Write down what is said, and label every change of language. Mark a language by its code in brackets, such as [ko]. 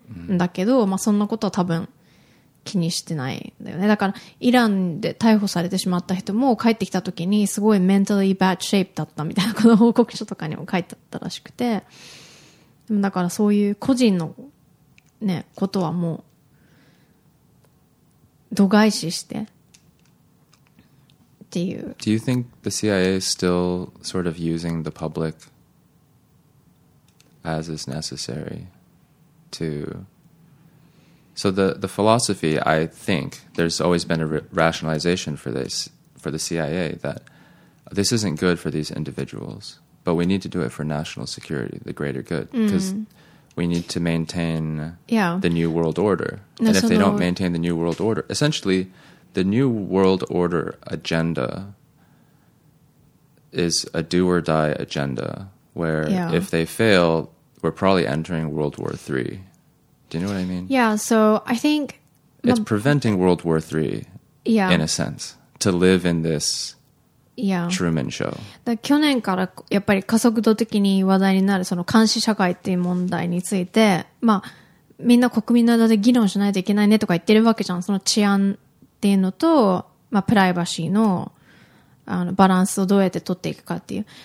[ja] だけど、まあ、そんなことは多分気にしてないんだよね。だからイランで逮捕されてしまった人も帰ってきた時にすごい [en] メンタリーバッドシェイプ [ja] だったみたいな、この報告書とかにも書いてあったらしくて、だからそういう個人のねことはもう度外視してっていう。 [en] Do you think the CIA is still sort of using the public as is necessary?To So the philosophy, I think, there's always been a rationalization for this, for the CIA, that this isn't good for these individuals, but we need to do it for national security, the greater good, because we need to maintain the New World Order. And if they don't maintain the New World Order, essentially, the New World Order agenda is a do-or-die agenda, where if they fail, we're probably entering World War III. Do you know what I mean? Yeah, so I think... It's preventing World War III, in a sense, to live in this Truman Show. [ja] 去年からやっぱり加速度的に話題になるその監視社会っていう問題について、まあ、みんな国民の間で議論しないといけないねとか言ってるわけじゃん。その治安っていうのと、まあ、プライバシーの、あのバランスをどうやって取っていくかっていう。